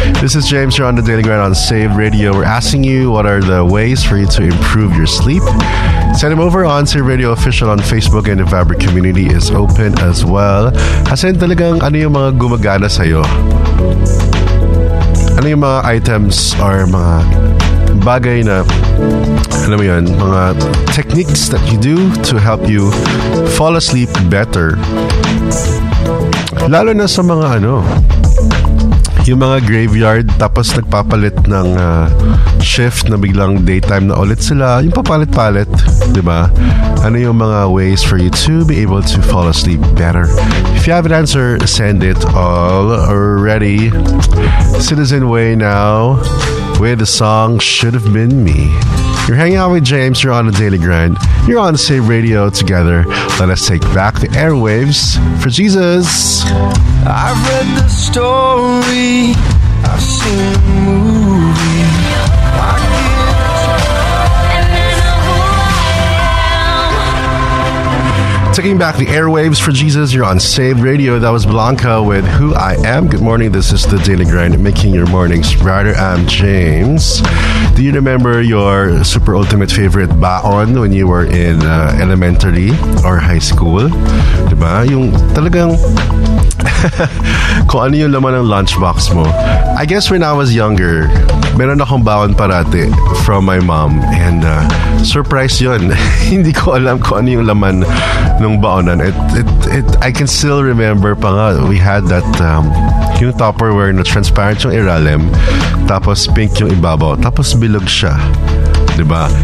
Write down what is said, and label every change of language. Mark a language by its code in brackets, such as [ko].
[en] This is James here on the Daily Grind on Saved Radio. We're asking you, what are the ways for you to improve your sleep? Send him over on Saved Radio Official on Facebook, and the Vibber community is open as well. [tl] Kasi talagang ano yung mga gumagana sa'yo? Ano yung mga [en] items or [tl] mga bagay na, alam mo yun, mga [en] techniques that you do to help you fall asleep better? [tl] Lalo na sa mga ano, yung mga graveyard tapos nagpapalit ng shift na biglang daytime na ulit sila, yung papalit-palit, di ba? Ano yung mga [en] ways for you to be able to fall asleep better? If you have an answer, send it all already. Citizen Way now with the song Should Have Been Me. You're hanging out with James, you're on the Daily Grind, you're on Save Radio together. Let us take back the airwaves for Jesus. I've read the story, I've seen the movie. Taking Taking back the airwaves for Jesus, you're on Saved Radio. That was Blanca with Who I Am. Good morning, this is The Daily Grind, making your mornings brighter. I'm James. Do you remember your super ultimate favorite baon when you were in elementary or high school? [tl] Diba? Yung talagang... Kung ano yung laman ng lunchbox mo. [en] I guess when I was younger, [tl] meron akong baon parati [en] from my mom. And surprise [tl] yun. Hindi ko alam kung ano yung laman nung baonan. [en] I can still remember [tl] pa nga, [en] we had that [tl] yung Tupperware na transparent yung iralim, tapos pink yung ibabaw, tapos bilog siya. Diba?